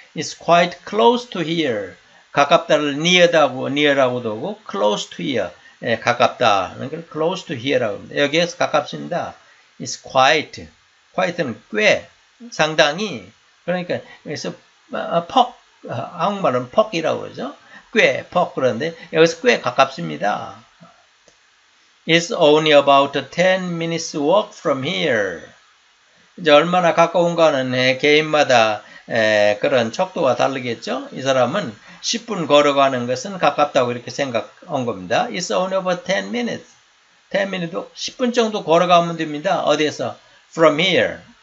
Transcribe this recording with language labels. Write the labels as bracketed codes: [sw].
[en] It's quite close to here. [ko] 가깝다를 near다고 near라고도 하고 [en] close to here. [ko] 예, 가깝다. [en] Close to here [ko] 라고 합니다. 여기에서 가깝습니다. [en] It's quite. [ko] Quite는 꽤 상당히. 그러니까 여기서 퍽 한국말은 퍽이라고 그러죠. 꽤 퍽 그런데 여기서 꽤 가깝습니다. [en] It's only about a 10 minutes walk from here. [ko] 이제 얼마나 가까운가는 개인마다 그런 척도가 다르겠죠. 이 사람은 10분 걸어가는 것은 가깝다고 이렇게 생각한 겁니다. [en] It's only about 10 minutes. 10 minutes, [ko] 10분 정도 걸어가면 됩니다. 어디에서? [en] From here.